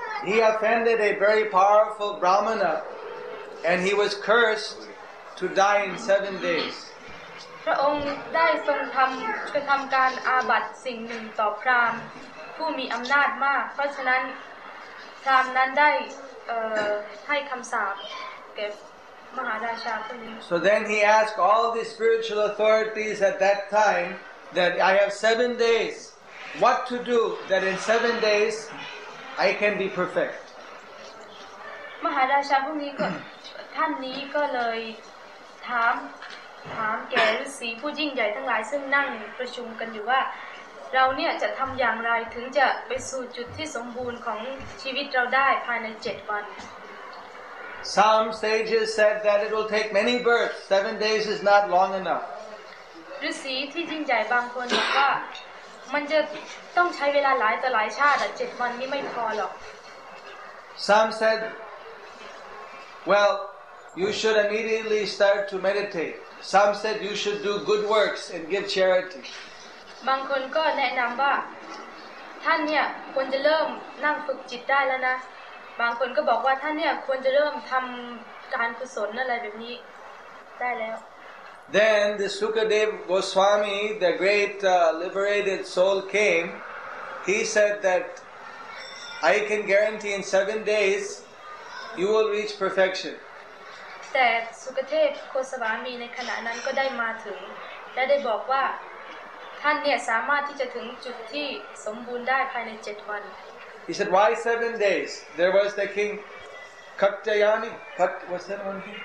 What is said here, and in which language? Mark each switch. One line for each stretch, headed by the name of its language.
English: He offended a very powerful Brahmana and he was cursed to die in 7 days
Thai: พระองค์ได้ทรงทำการอาบัติสิ่งหนึ่งต่อพราหมณ์ผู้มีอำนาจมากเพราะฉะนั้นพราหมณ์นั้นได้ให้คำสาปแก่มหาราชาคนนี้
English: So then he asked all the spiritual authorities at that time that I have 7 days what to do that in 7 days I can be perfect
Thai: มหาราชาผู้นี้ก็ท่านนี้ก็เลยถามแก่ฤาษีผู้ยิ่งใหญ่ทั้งหลายซึ่งนั่งประชุมกันอยู่ว่าเราเนี่ยจะทำอย่างไรถึงจะไปสู่จุดที่สมบูรณ์ของชีวิตเราได้ภายใน7 วัน
English: Some sages said that it will take many births 7 days is not long enough
Thai: ฤาษีที่ยิ่งใหญ่บางคนบอกว่ามันจะต้องใช้เวลาหลายต่อหลายชาติ7 วันนี้ไม่พอหรอก
English: Some said well you should immediately start to meditate Some said you should do good works and give charity
Thai: บางคนก็แนะนำว่าท่านเนี่ยควรจะเริ่มนั่งฝึกจิตได้แล้วนะบางคนก็บอกว่าท่านเนี่ยควรจะเริ่มทำการกุศลอะไรแบบนี้ได้แล้ว
English: Then the Sukadev Goswami, the great liberated soul came. He said that I can guarantee in 7 days you will reach perfection.
Thai: แต่ Sukadev Goswami ในขณะนั้นก็ได้มาถึงและได้บอกว่าท่านเนี่ยสามารถที่จะถึงจุดที่สมบูรณ์ได้ภายใน7 วัน
English: He said, why 7 days? There was the king Katyayani, what's that one king?